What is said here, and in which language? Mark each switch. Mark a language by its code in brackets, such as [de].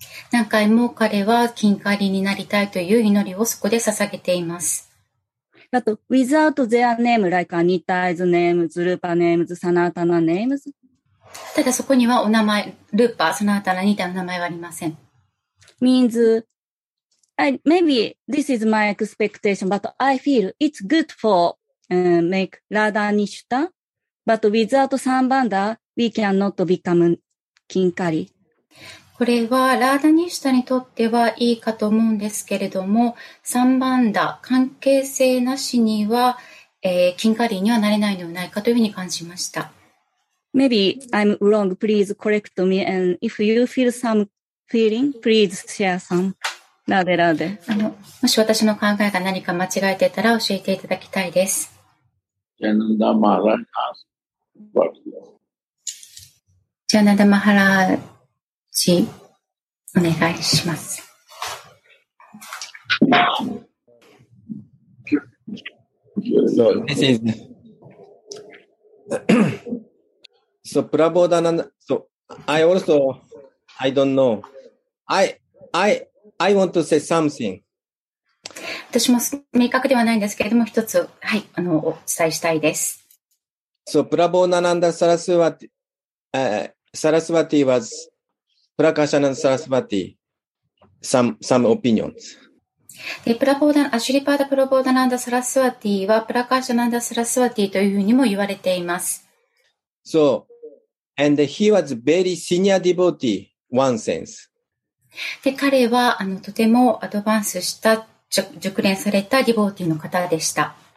[ja] 何回も彼はキンカリになりたいという祈りをそこで捧げています。 [en] あと、without their name, like Anita's name, Zrupa names, Sanatana names。 [ja] ただそこにはお名前、ルーパー、サナータナ、ニタの名前はありません。 [en] Means,Maybe this is my expectation, but I feel it's good for make Radha Nishita. But without Sambandha, we cannot become Kinkari. [ja] これはラーダニシュタにとってはいいかと思うんですけれども、サンバンダ関係性なしには、Kinkari にはなれないのではないかというふうに感じました。 [en] Maybe I'm wrong. Please correct me. And if you feel some feeling, please share some. [ja] ラデラデもし私の考えが何か間違えてたら教えていただきたいです。ジャナダマハラジャナダマハラジお願いします。 [en] So this is so Prabodhanand. So I also I don't know. I want to say something. [ja] 私も明確ではないんですけれども、一つ、はい、お伝えしたいです。 [en] So, Prabodhananda Saraswati, Saraswati was Prakashanand Saraswati, some opinions. [ja] で、Shripada Prabodhananda Saraswati は Prakashananda Saraswati というふうにも言われています。 [en] So, and he was very senior devotee, one sense. [ja] で、彼は、とてもアドバンスした熟練されたディボーティーの方でした。